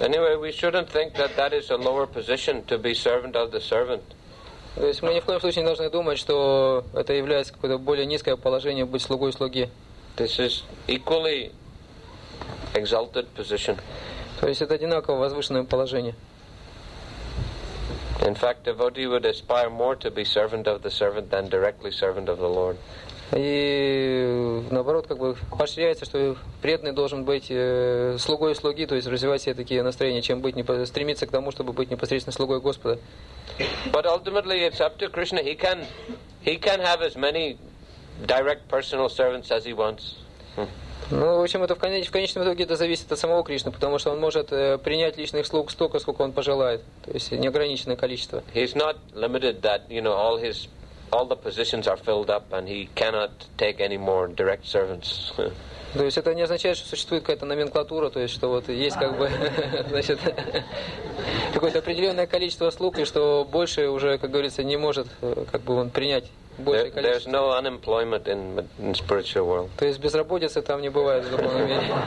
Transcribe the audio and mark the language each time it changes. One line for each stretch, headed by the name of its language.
English: Anyway, we shouldn't think that that is a lower position, to be servant of the servant.
Russian: То есть мы ни в коем случае не должны думать, что это является какое-то более низкое положение быть слугой слуги.
English: This is equally exalted position.
Russian: То есть это одинаково возвышенное положение.
English: In fact, devotee would aspire more to be servant of the servant than directly servant of the Lord.
Russian: И наоборот, как бы поощряется, что преданный должен быть слугой слуги, то есть развивать все такие настроения, чем быть стремиться к тому, чтобы быть непосредственно слугой Господа.
English: But ultimately it's up to Krishna. He can have as many direct personal servants as he wants.
Russian: Ну, в общем, это в конечном итоге это зависит от самого Кришны, потому что он может принять личных слуг столько, сколько он пожелает, то есть неограниченное количество.
English: He's not limited that, you know, all the positions are filled up and he cannot take any more direct servants.
Russian: То есть это не означает, что существует какая-то номенклатура, то есть что вот есть как бы, значит, какое-то определенное количество слуг, и что больше уже, как говорится, не может как бы он принять большее количество.
English: There's no unemployment in spiritual world.
Russian: То есть безработицы там не бывает в духовном мире.